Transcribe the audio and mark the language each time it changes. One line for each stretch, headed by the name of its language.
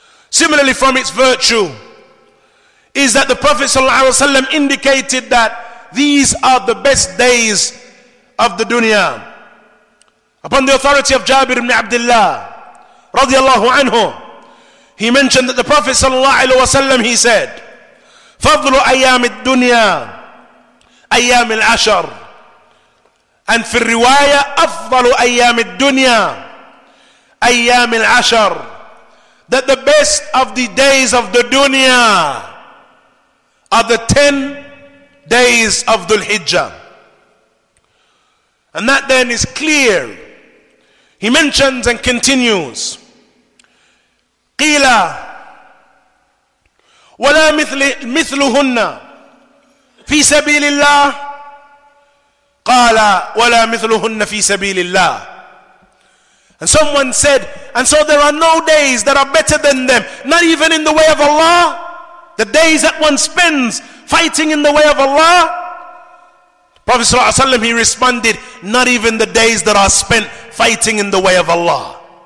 English: Similarly, from its virtue is that the Prophet ﷺ indicated that these are the best days of the dunya. Upon the authority of Jabir ibn Abdullah radiallahu anhu, he mentioned that the Prophet ﷺ, he said,
Arabic: فَضْلُ أَيَّامِ الدُّنْيَا أَيَّامِ الْعَشَرِ.
English: And
Arabic: في الرواية أفضل أيام الدنيا أيام العشر.
English: That the best of the days of the dunya are the 10 days of Dhul Hijjah. And that then is clear. He mentions and continues,
Arabic: قيل ولا مثلهن في سبيل الله قال ولا مثلهن في سبيل الله.
English: And someone said, and so there are no days that are better than them, not even in the way of Allah. The days that one spends fighting in the way of Allah, Prophet sallallahu alaihi wasallam, he responded, not even the days that are spent fighting in the way of Allah.